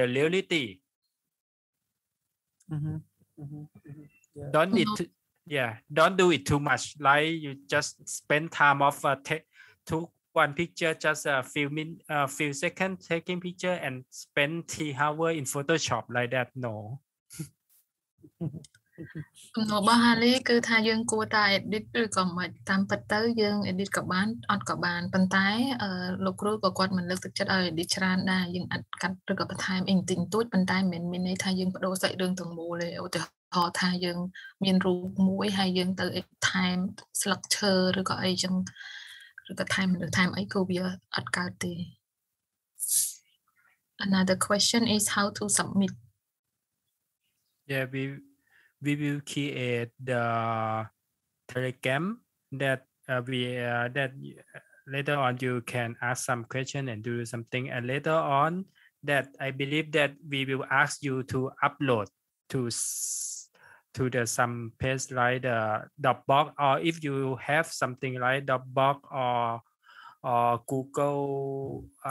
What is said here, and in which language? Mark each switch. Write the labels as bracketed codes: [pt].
[en] Mm-hmm. Mm-hmm. Mm-hmm. Yeah. Don't need to, yeah. Don't do it too much. Like you just spend time of took one picture, just a few seconds taking picture and spend 3 hours in Photoshop like that. No. [km] គំនិតរបស់ហាលីគឺថាយើងគួរតែ edit ឬក៏មិនតាមពិតទៅយើង edit ក៏បានអត់ក៏បានប៉ុន្តែលោកគ្រូក៏គាត់មិនលើកទឹកចិត្តឲ្យ edit ច្រើនដែរយើងអាចកាត់ឬក៏បន្ថែមអីបន្តិចបន្តួចប៉ុន្តែមិនមានន័យថាយើងបដូរសាច់រឿងទាំងមូលទេឧទាហរណ៍ថាយើងមានរូបមួយហើយយើងទៅ edit ថែមស្លឹកឈើឬក៏អីចឹងឬក៏ថែមមនុស្សថែមអីក៏វាអត់កើតទេ [en] Another question is how to submit Yeah we will create the telegram that that later on you can ask some question and do something and later on that I believe that we will ask you to upload to the some page like the Dropbox or if you have something like Dropbox or Google